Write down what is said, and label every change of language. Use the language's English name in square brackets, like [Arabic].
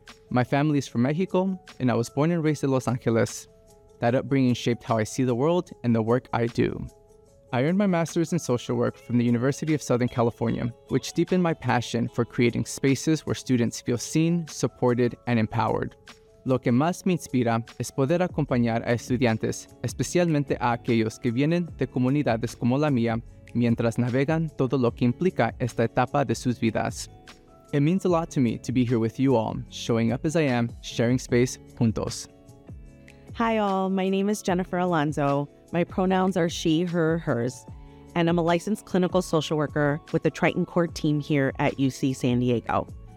[English] My family is from Mexico, and I was born and raised in Los Angeles. That upbringing shaped how I see the world and the work I do. I earned my master's in social work from the University of Southern California, which deepened my passion for creating spaces where students feel seen, supported, and empowered. [Spanish] Lo que más me inspira es poder acompañar a estudiantes, especialmente a aquellos que vienen de comunidades como la mía, mientras navegan todo lo que implica esta etapa de sus vidas. [English] It means a lot to me to be here with you all, showing up as I am, sharing space [Spanish] juntos. [English] Hi all, my name is Jennifer Alonzo. My pronouns are she, her, hers, and I'm a licensed clinical social worker with the Triton Core team here at UC San Diego.